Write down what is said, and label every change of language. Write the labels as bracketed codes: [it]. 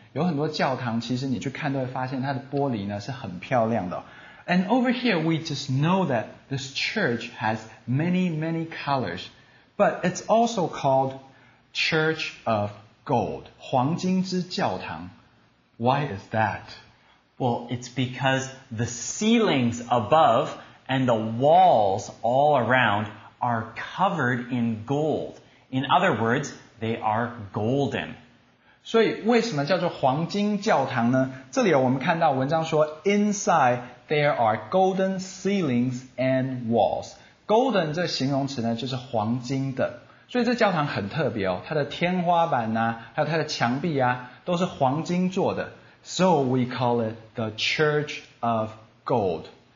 [zh] 有很多教堂，其实你去看都会发现它的玻璃呢是很漂亮的。 [en] And over here, we just know that this church has many, many colors. But it's also called Church of Gold, [zh] 黄金之教堂。 [en] Why is that? Well, it's because the ceilings above and the walls all around are covered in gold. In other words, they are golden. [zh] 所以为什么叫做黄金教堂呢？这里我们看到文章说 [en] ，inside there are golden ceilings and walls. [zh] Golden 这形容词呢，就是黄金的。所以这教堂很特别哦，它的天花板呐、啊，还有它的墙壁啊，都是黄金做的。 [en] So we call it the Church of Gold.